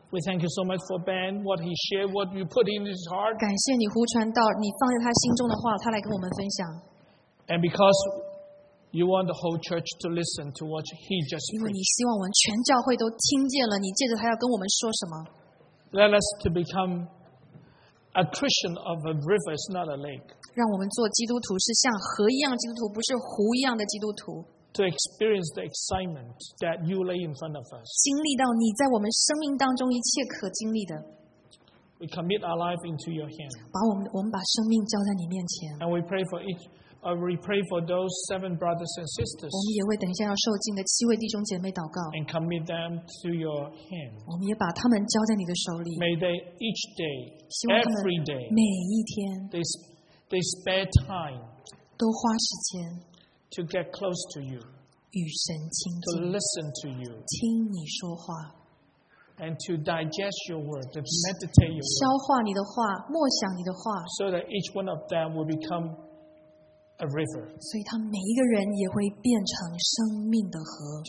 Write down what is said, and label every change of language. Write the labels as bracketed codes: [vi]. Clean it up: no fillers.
[en] We thank you so much for Ben, what he shared, what you put in his heart. [zh] 感谢你胡传道，你放在他心中的话，他来跟我们分享。 [en] And because you want the whole church to listen to what he just preached. [zh] 因为你希望我们全教会都听见了，你借着他要跟我们说什么。 [en] Let us to become a Christian of a river, is not a lake. [zh] 让我们做基督徒是像河一样基督徒，不是湖一样的基督徒。 [en] To experience the excitement that you lay in front of us. [zh] 经历到你在我们生命当中一切可经历的。 [en] We commit our life into your hand. [zh] 我们把生命交在你面前。 [en] And we pray for those seven brothers and sisters. [zh] 我们也为等一下要受浸的七位弟兄姐妹祷告。 [en] And commit them to your hand. [zh] 我们也把他们交在你的手里。 [en] May they each day, every day, [zh] 每一天 [en] they spare time. [zh] 都花时间。 [en] To get close to you, [zh] 与神亲近 [en] to listen to you, [zh] 听你说话 [en] and to digest your word, to meditate your word, [zh] 消化你的话，默想你的话 [en] so that each one of them will become a river, [zh] 所以他每一个人也会变成生命的河